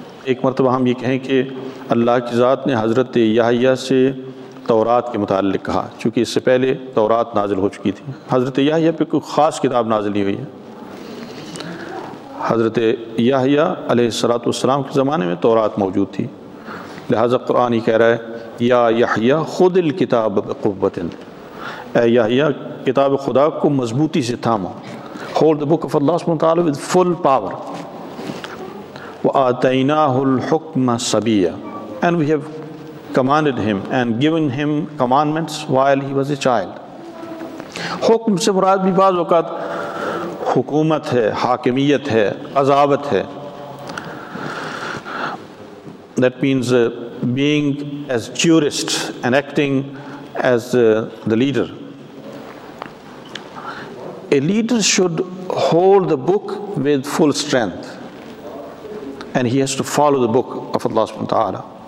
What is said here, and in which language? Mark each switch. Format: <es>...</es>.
<ur>ایک مرتبہ ہم یہ کہیں کہ اللہ کی ذات نے حضرت یحییٰ سے تورات کے متعلق کہا، چونکہ اس سے پہلے تورات نازل ہو چکی تھی، حضرت یحییٰ پہ کوئی خاص کتاب نازل نہیں ہوئی ہے. حضرت یحییٰ علیہ الصلوۃ والسلام کے زمانے میں تورات موجود تھی، لہذا قرآن ہی کہہ رہا ہے</ur> <ar>یا یحییٰ خود الکتاب بقوتن،</ar> <ur>اے یحییٰ کتاب خدا کو مضبوطی سے تھامو.</ur> <en>Hold the book of Allah subhanahu wa ta'ala with full power.</en> <ar>وَآتَيْنَاهُ الْحُكْمَ سَبِيًّا،</ar> <en>and we have commanded him and given him commandments while he was a child.</en> <ur>حکم سے مراد بھی بعض وقت حکومت ہے، حاکمیت ہے، عذابت ہے.</ur> <en>That means being as jurist and acting as the leader. A leader should hold the book with full strength, and he has to follow the book of Allah subhanahu wa ta'ala.</en>